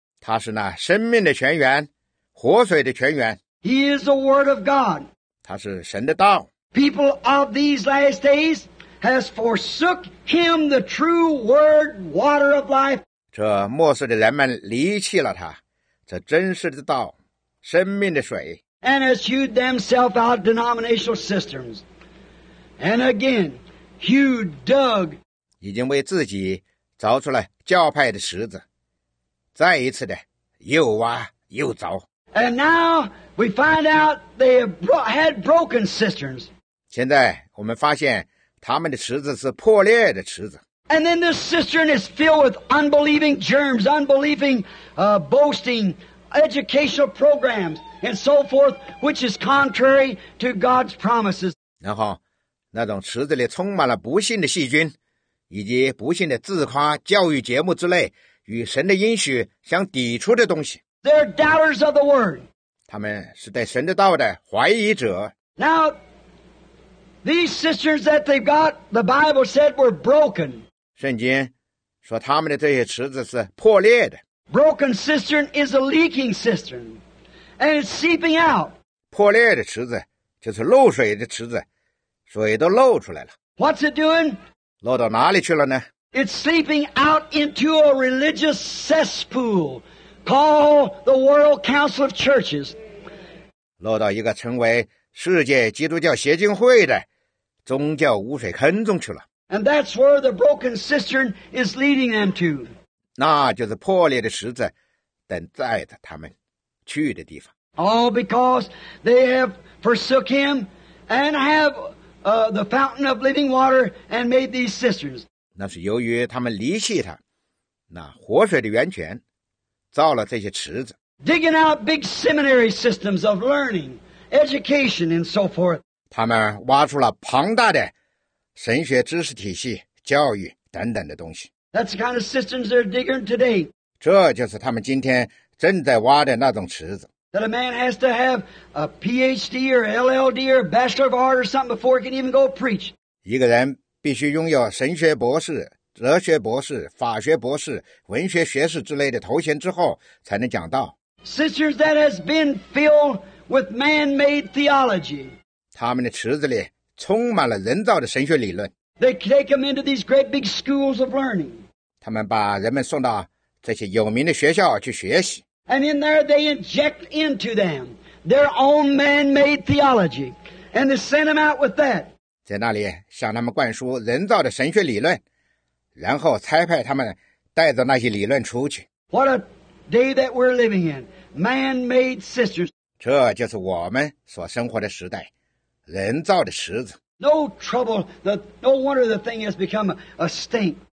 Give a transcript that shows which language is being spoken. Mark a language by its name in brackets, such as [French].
[Chinese] 他是那生命的泉源，活水的泉源。 [English] He is the Word of God. [Chinese] 他是神的道。 [English] People of these last days has forsook Him, the true Word, water of life. [Chinese] 这末世的人们离弃了他，这真实的道，生命的水。 [English] And has hewed themselves out denominational systems. And again, hewed dug. [Chinese] 已经为自己凿出了教派的池子，再一次的又挖又凿。 [English] And now we find out they had broken cisterns. [Chinese] 现在我们发现他们的池子是破裂的池子。 [English] And then this cistern is filled with unbelieving germs, unbelieving boasting, educational programs, and so forth, which is contrary to God's promises. [Chinese] 然后那种池子里充满了不幸的细菌，以及不幸的自夸教育节目之类与神的应许相抵触的东西。 [English] They're doubters of the word. [Chinese] 他们是对神的道的怀疑者。 [English] Now, these cisterns that they've got, the Bible said were broken. [Chinese] 圣经说他们的这些池子是破裂的。 [English] Broken cistern is a leaking cistern, and it's seeping out. [Chinese] 破裂的池子就是漏水的池子，水都漏出来了。 [English] What's it doing? [Chinese] 漏到哪里去了呢？ [English] It's seeping out into a religious cesspool. Call the World Council of Churches. [Chinese] 落到一个成为世界基督教协进会的宗教污水坑中去了。 [English] And that's where the broken cistern is leading them to. [Chinese] 那就是破裂的池子等载着他们去的地方。 [English] All because they have forsook him and have the fountain of living water and made these cisterns. [Chinese] 那是由于他们离弃他，那活水的源泉。造了这些池子。 [English] Digging out big seminary systems of learning, education, and so forth. [Chinese] 他们挖出了庞大的神学知识体系、教育等等的东西。 [English] That's the kind of systems they're digging today. [Chinese] 这就是他们今天正在挖的那种池子。 [English] That a man has to have a PhD or LLD or Bachelor of Art or something before he can even go preach. [Chinese] 一个人必须拥有神学博士、哲学博士、法学博士、文学学士之类的头衔之后才能讲道。 [English] Cisterns that has been filled with man-made theology. [Chinese] 他们的池子里充满了人造的神学理论。 [English] They take them into these great big schools of learning. 他们把人们送到这些有名的学校去学习。 And in there they inject into them their own man-made theology. And they send them out with that. [Chinese] 在那里向他们灌输人造的神学理论。然后差派他们带着那些理论出去。 [English] What a day that we're living in, man-made cisterns. [Chinese] 这就是我们所生活的时代，人造的池子。 [English] No trouble, no wonder the thing has become a stink.